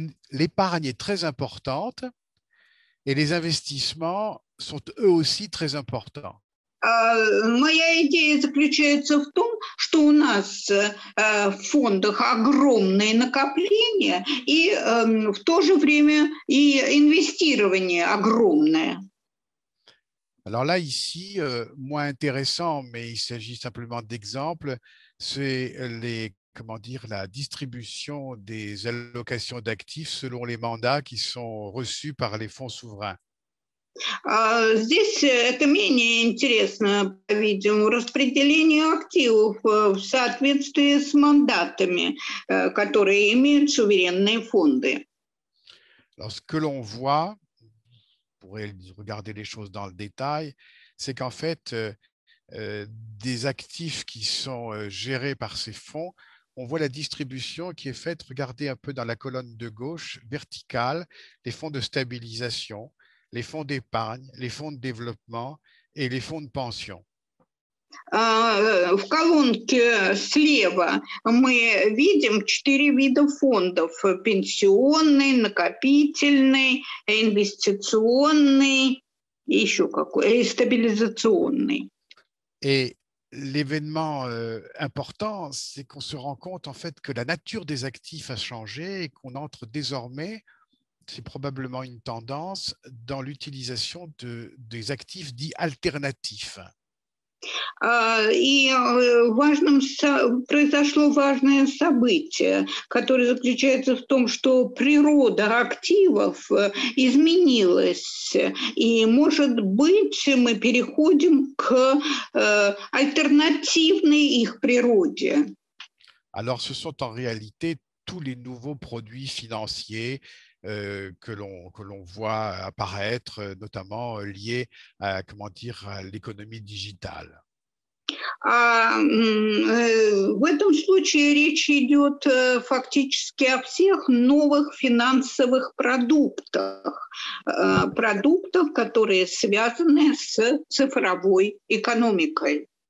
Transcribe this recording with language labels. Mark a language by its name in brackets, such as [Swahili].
[French] L'épargne est très importante et les investissements sont eux aussi très importants. [Russian] Моя идея заключается в том, что у нас в фондах огромные накопления и в то же время и инвестирование огромное. [French] Alors là, ici, moins intéressant, mais il s'agit simplement d'exemples, c'est la distribution des allocations d'actifs selon les mandats qui sont reçus par les fonds souverains. [Russian] Здесь это менее интересно, по-видимому, распределение активов в соответствии с мандатами, которые имеют суверенные фонды. [French] Lorsque l'on voit... Pour regarder les choses dans le détail, c'est qu'en fait, des actifs qui sont gérés par ces fonds, on voit la distribution qui est faite, regardez un peu dans la colonne de gauche, verticale, les fonds de stabilisation, les fonds d'épargne, les fonds de développement et les fonds de pension. [Russian] В колонке слева мы видим четыре вида фондов: пенсионный, накопительный, инвестиционный и еще какой, и стабилизационный. [French] Et l'événement important, c'est qu'on se rend compte en fait que la nature des actifs a changé et qu'on entre désormais, c'est probablement une tendance, dans l'utilisation des actifs dits alternatifs. [Russian] И важным произошло важное событие, которое заключается в том, что природа активов изменилась, и, может быть, мы переходим к альтернативной их природе. [French] Alors, ce sont en réalité tous les nouveaux produits financiers que l'on voit apparaître, notamment liés à, à l'économie digitale. [Russian] В этом случае речь идет фактически о всех новых финансовых продуктах, продуктах, которые связаны с цифровой экономикой.